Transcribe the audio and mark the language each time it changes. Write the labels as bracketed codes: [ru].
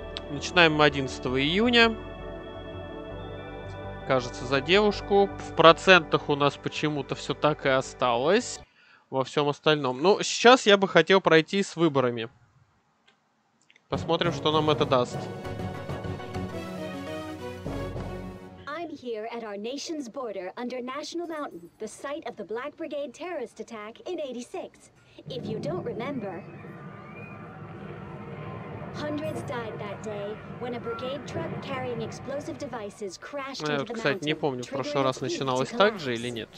[ru] Начинаем мы 11 июня. Кажется, за девушку. В процентах у нас почему-то все так и осталось. Во всем остальном. Ну, сейчас я бы хотел пройти с выборами. Посмотрим, что нам это даст. [en] I'm here at our nation's border under National Mountain, the site of the Black Brigade terrorist attack in 86. If you don't remember, hundreds died that day when a brigade truck carrying explosive devices crashed into the mountain. [ru] Кстати, не помню, в прошлый раз начиналось так же или нет.